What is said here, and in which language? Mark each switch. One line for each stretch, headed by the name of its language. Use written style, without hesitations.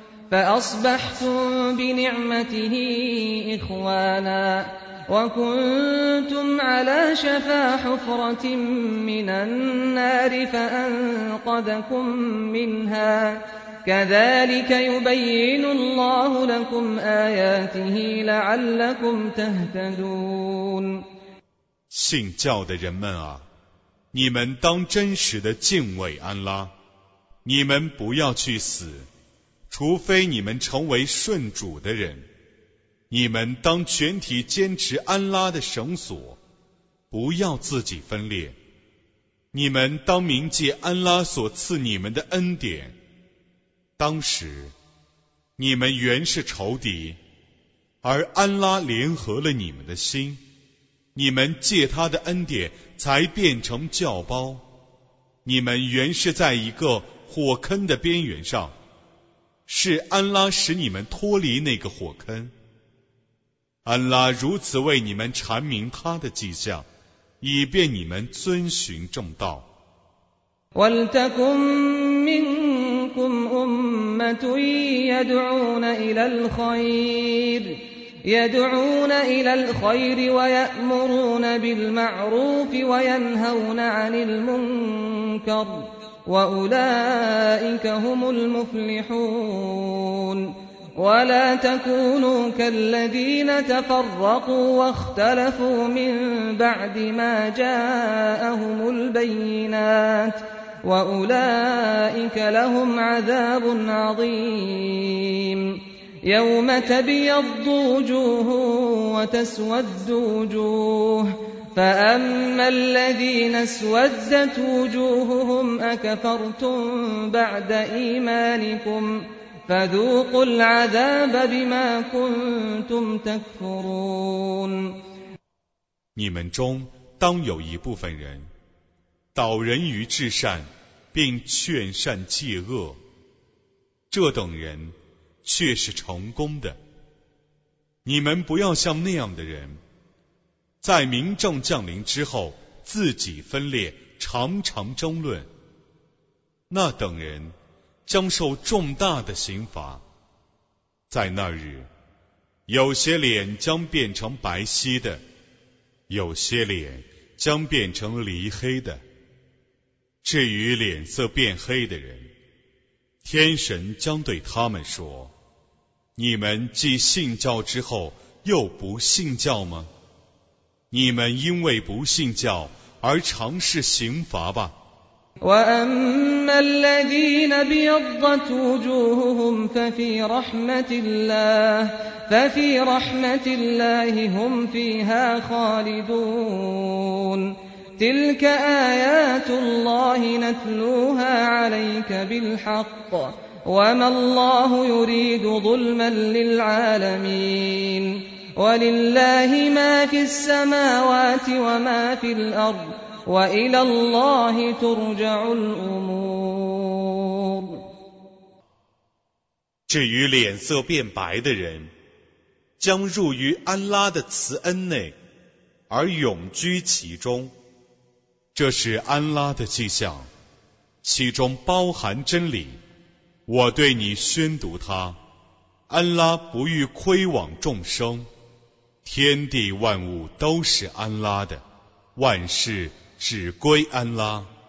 Arabic: فأصبحتم بنعمته إخوانا وكنتم على شفا حفرة من النار فأنقذكم منها كذلك يبين الله لكم آياته لعلكم تهتدون
Chinese: 信教的人们啊你们当真实的敬畏安拉你们不要去死除非你们成为顺主的人，你们当全体坚持安拉的绳索，不要自己分裂。你们当铭记安拉所赐你们的恩典，当时你们原是仇敌，而安拉联合了你们的心，你们借他的恩典才变成教胞。你们原是在一个火坑的边缘上，是安拉使你们脱离那个火坑。安拉如此为你们阐明他的迹象，以便你们遵循正道。
Arabic: ولتكن منكم أمة يدعون إلى الخير ويأمرون بالمعروف وينهون عن المنكر وأولئك هم المفلحون ولا تكونوا كالذين تفرقوا واختلفوا من بعد ما جاءهم البينات وأولئك لهم عذاب عظيم يوم تبيض وجوه وتسود وجوه فأما الذين اسودت وجوههم أكفرتم بعد إيمانكمفذوقوا العذاب بما كنتم تكفرون
Chinese: 你们中当有一部分人导人于至善，并劝善戒恶，这等人却是成功的。你们不要像那样的人，在明正降临之后自己分裂，常常争论，那等人将受重大的刑罚。在那日，有些脸将变成白皙的，有些脸将变成黧黑的。至于脸色变黑的人，天神将对他们说：你们既信教之后又不信教吗？你们因为不信教而尝试刑罚吧。
Arabic: وأما الذين ابيضت وجوههم ففي رحمة الله هم فيها خالدون تلك آيات الله نتلوها عليك بالحق وما الله يريد ظلما للعالمين ولله ما في السماوات وما في الأرض وإلى الله ترجع الأمور
Chinese: 至于脸色变白的人，将入于安拉的慈恩内，而永居其中，这是安拉的迹象，其中包含真理。我对你宣读它，安拉不欲亏枉众生，天地万物都是安拉的，万事只归安拉。